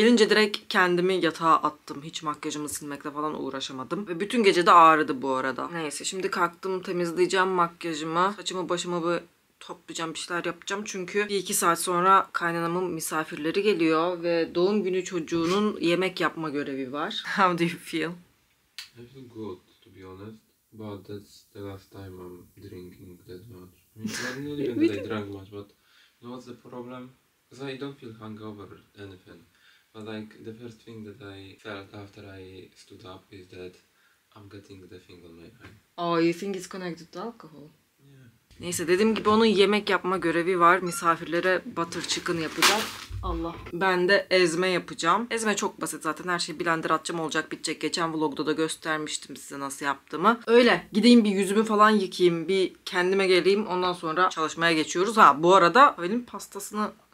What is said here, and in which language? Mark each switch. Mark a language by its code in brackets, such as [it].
[tr] Gelince direkt kendimi yatağa attım. Hiç makyajımı silmekle falan uğraşamadım. Ve bütün gece de ağrıdı bu arada. Neyse şimdi kalktım, temizleyeceğim makyajımı. Saçımı başımı bir toplayacağım, bir şeyler yapacağım. Çünkü bir iki saat sonra kaynanamın misafirleri geliyor. Ve doğum günü çocuğunun yemek yapma görevi var. [en] How do you feel? I feel good to be honest. But that's the last time I'm drinking that much. I mean, not even that I drank much, but you know what's the problem? Because I don't feel hungover or anything. But like, the first thing that I felt after I stood up is that I'm getting the thing on my eye. Oh, you think it's connected to alcohol? Yeah. [tr] Neyse, dediğim gibi onun yemek yapma görevi var. Misafirlere butter chicken yapacak. Allah. Ben de ezme yapacağım. Ezme çok basit zaten. Her şeyi blender atacağım, olacak bitecek. Geçen vlogda da göstermiştim size nasıl yaptığımı. Öyle. Gideyim bir yüzümü falan yıkayayım. Bir kendime geleyim. Ondan sonra çalışmaya geçiyoruz. Ha bu arada benim pastasını